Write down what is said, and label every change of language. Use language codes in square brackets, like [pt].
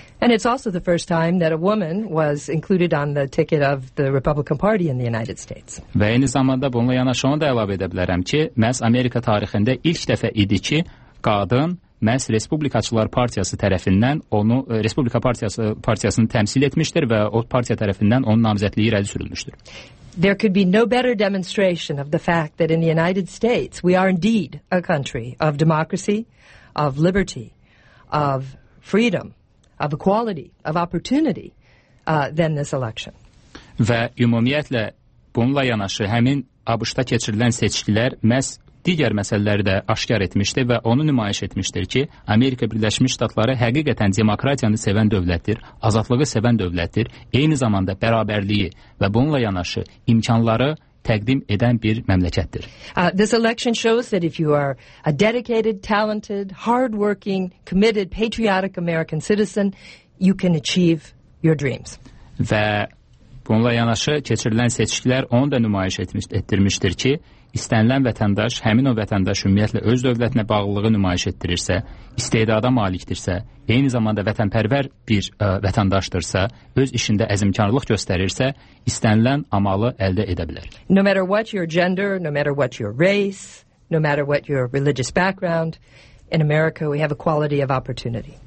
[en] And it's also the first time that a woman was included on the ticket of the Republican Party in the United States. [az] Və eyni zamanda bununla yanaşı onu da əlavə edə bilərəm ki, məhz Amerika tarixində ilk dəfə idi ki, qadın məhz Respublikaçılar Partiyası tərəfindən onu Respublika Partiyasını təmsil etmişdir və o partiya tərəfindən onun namizədliyi irəli sürülmüşdür. [en] There could be no better demonstration of the fact that in the United States we are indeed a country of democracy, of liberty, of freedom, of equality, of opportunity than this election. [az] Və ümumiyyətlə bununla yanaşı həmin ABŞ-da keçirilən seçkilər məhz digər məsələləri də aşkar etmişdir və onu nümayiş etmişdir ki, Amerika Birləşmiş Ştatları həqiqətən demokratiyanı sevən dövlətdir, azadlığı sevən dövlətdir, eyni zamanda bərabərliyi və bununla yanaşı imkanları təqdim edən bir məmləkətdir. [en] This election shows that if you are a dedicated, talented, hardworking, committed, patriotic American citizen, you can achieve your dreams. [az] Və bununla yanaşı keçirilən seçkilər onu da nümayiş etdirmişdir ki, istənilən vətəndaş həmin o vətəndaş ümumiyyətlə öz dövlətinə bağlılığı nümayiş etdirirsə, istedada malikdirsə, eyni zamanda vətənpərvər bir vətəndaşdırsa, öz işində əzmkarlıq göstərirsə, istənilən amalı əldə edə bilər. [en] No matter what your gender, no matter what your race, no matter what your religious background, in America we have equality of opportunity.